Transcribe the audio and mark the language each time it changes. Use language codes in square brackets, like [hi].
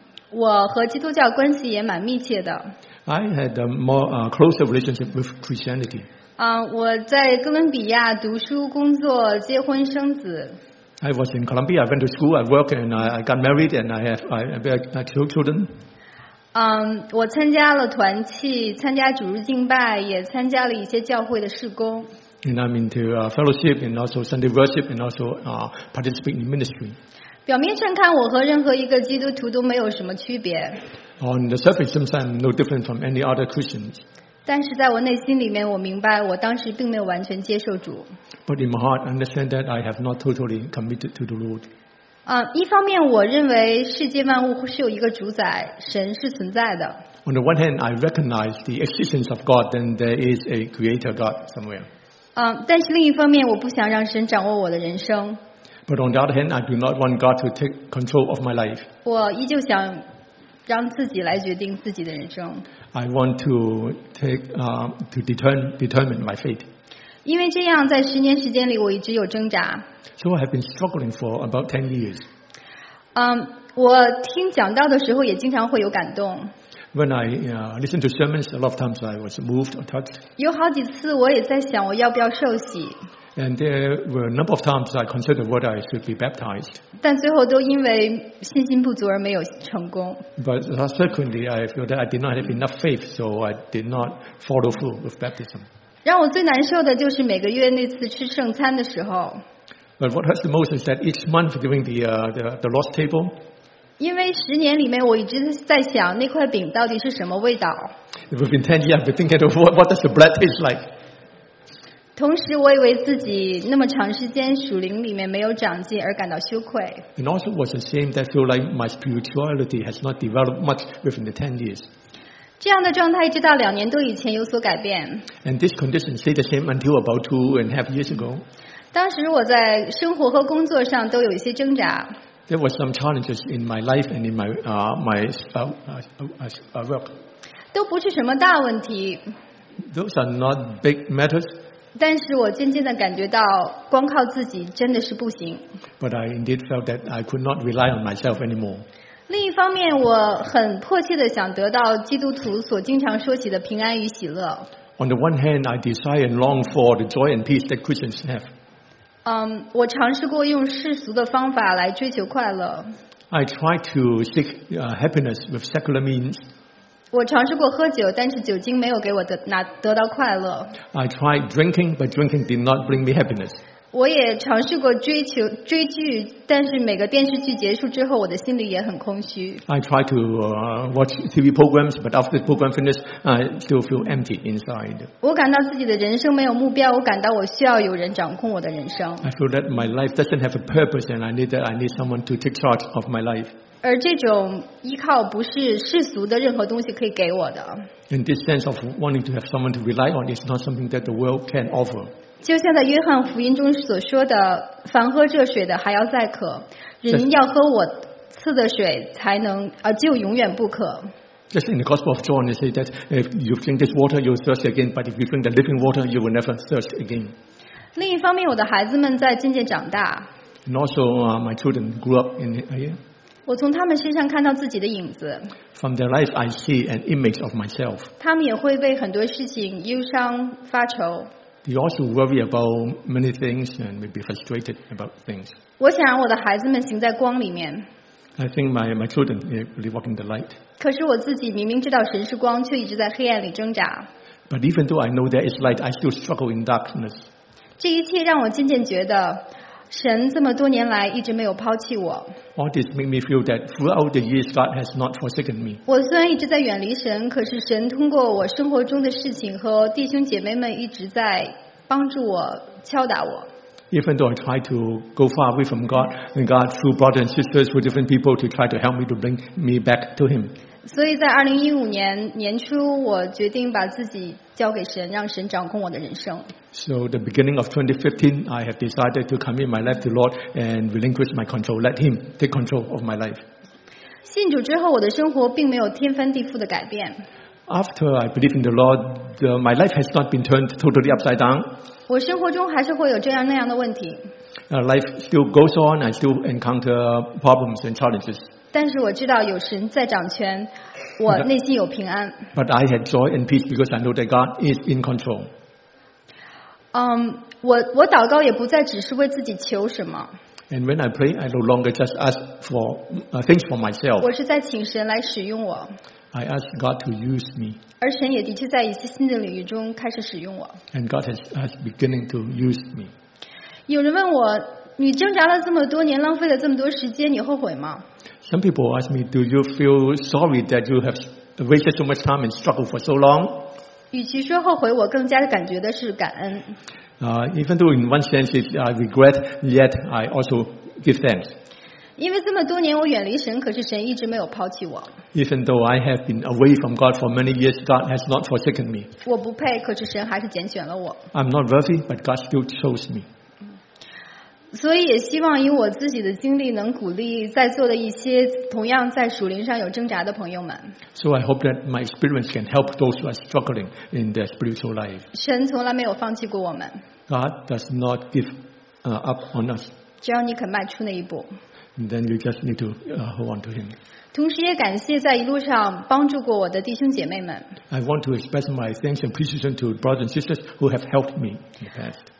[zh] 我和基督教关系也蛮密切的。 [en] I had a more closer relationship with Christianity. [zh] 我在哥伦比亚读书、工作、结婚、生子。 [en] I was in Colombia. I went to school. I worked, and I got married, and I have two children. [zh] 我参加了团契，参加主日敬拜，也参加了一些教会的事工。 [en] And I'm into fellowship, and also Sunday worship, and also participating in ministry. [zh] 表面上看，我和任何一个基督徒都没有什么区别。 [en] On the surface, I'm no different from any other Christians. [zh] 但是在我内心里面，我明白我当时并没有完全接受主。 [en] But in my heart, I understand that I have not totally committed to the Lord. [zh] 一方面，我认为世界万物是有一个主宰，神是存在的。 [en] On the one hand, I recognize the existence of God, then there is a creator God somewhere. [zh] 但是另一方面，我不想让神掌握我的人生。 [en] But on the other hand, I do not want God to take control of my life. [zh] 我依旧想。让自己来决定自己的人生。 [en] I want to take to determine my fate. [zh] 因为这样，在10年时间里，我一直有挣扎。 [en] So I have been struggling for about 10 years. [zh] 我听讲道的时候也经常会有感动。 [en] When I listen to sermons, a lot of times I was moved or touched. [zh] 有好几次，我也在想，我要不要受洗。 [en] And there were a number of times I considered whether I should be baptized. [zh] 但最后都因为信心不足而没有成功。 [en] But subsequently, I feel that I did not have enough faith, so I did not follow through with baptism. [zh] 让我最难受的就是每个月那次吃圣餐的时候。 [en] But what hurts the most is that each month during the Lord's table. [zh] 因为十年里面我一直在想那块饼到底是什么味道。 [en] It would be 10 years, I've been thinking of what does the bread taste like. [zh] 同时我以为自己那么长时间属灵里面没有长进而感到羞愧。 [en] And also was ashamed that I feel like my spirituality has not developed much within the 10 years. [zh] 这样的状态直到两年多以前有所改变。 [en] And this condition stayed the same until about 2.5 years ago. [zh] 当时我在生活和工作上都有一些挣扎。 [en] There were some challenges in my life and in my work. [zh] 都不是什么大问题。 [en] Those are not big matters. [zh] 但是我渐渐地感觉到光靠自己真的是不行。 [en] But I indeed felt that I could not rely on myself anymore. [zh] 另一方面，我很迫切地想得到基督徒所经常说起的平安与喜乐。 [en] On the one hand, I desire and long for the joy and peace that Christians have. [zh] 我尝试过用世俗的方法来追求快乐。 [en] I tried to seek happiness with secular means. [zh] 我尝试过喝酒，但是酒精没有给我 得到快乐。 [en] I tried drinking, but drinking did not bring me happiness. [zh] 我也尝试过追剧，但是每个电视剧结束之后，我的心里也很空虚。 [en] I tried to watch TV programs, but after the program finished, I still feel empty inside. [zh] 我感到自己的人生没有目标，我感到我需要有人掌控我的人生。 [en] I feel that my life doesn't have a purpose, and I need someone to take charge of my life. [zh] 而这种依靠不是世俗的任何东西可以给我的。 [en] In this sense of wanting to have someone to rely on is not something that the world can offer. [zh] 就像在约翰福音中所说的，凡喝这水的还要再渴，人要喝我赐的水才能，就永远不渴。 [en] Just in the Gospel of John, they say that if you drink this water, you'll thirst again, but if you drink the living water, you will never thirst again. [zh] 另一方面，我的孩子们在渐渐长大。 [en] And also, my children grew up in here. [zh] 我从他们身上看到自己的影子。 [en] From their life, I see an image of myself. [zh] 他们也会为很多事情忧伤发愁。 [en] They also worry about many things and may be frustrated about things. [zh] 我想让我的孩子们行在光里面。 [en] I think my children really walk in the light. [zh] 可是我自己明明知道神是光，却一直在黑暗里挣扎。 [en] But even though I know there is light, I still struggle in darkness. [zh] 这一切让我渐渐觉得。神这么多年来一直没有抛弃我。 [en] All this made me feel that throughout the years God has not forsaken me. [zh] 我虽然一直在远离神，可是神通过我生活中的事情和弟兄姐妹们一直在帮助我、敲打我。 [en] Even though I try to go far away from God, and God through brothers and sisters, through different people, to try to help me to bring me back to Him. [zh] 所以在2015年年初，我决定把自己交给神，让神掌控我的人生。 [en] So the beginning of 2015, I have decided to commit my life to the Lord and relinquish my control. Let Him take control of my life. [zh] 信主之后，我的生活并没有天翻地覆的改变。 [en] After I believe in the Lord, my life has not been turned totally upside down. [zh] 我生活中还是会有这样那样的问题。 [en] Life still goes on. I still encounter problems and challenges. [zh] 但是我知道有神在掌权，我内心有平安。 [en] But I had joy and peace because I know that God is in control. [zh] 我祷告也不再只是为自己求什么。 [en] And when I pray, I no longer just ask for things for myself. [zh] 我是在请神来使用我。 [en] I ask God to use me. [zh] 而神也的确在一些新的领域中开始使用我。 [en] And God has beginning to use me. [zh] 有人问我，你挣扎了这么多年，浪费了这么多时间，你后悔吗？ [en] Some people ask me, do you feel sorry that you have wasted so much time and struggled for so long? [zh] 与其说后悔，我更加感觉的是感恩。 [en] Even though in one sense I regret, yet I also give thanks. [zh] 因为这么多年我远离神，可是神一直没有抛弃我。 [en] Even though I have been away from God for many years, God has not forsaken me. [zh] 我不配，可是神还是拣选了我。 [en] I'm not worthy, but God still chose me. [zh] 所以也希望以我自己的经历能鼓励在座的一些同样在属灵上有挣扎的朋友们。 [en] So I hope that my experience can help those who are struggling in their spiritual life. [zh] 神从来没有放弃过我们。 [en] God does not give up on us. [zh] 只要你肯迈出那一步。 [en] And then you just need to hold on to him. [zh] 同时也感谢在一路上帮助过我的弟兄姐妹们。 [en] I want to express my thanks and appreciation to brothers and sisters who have helped me in the past.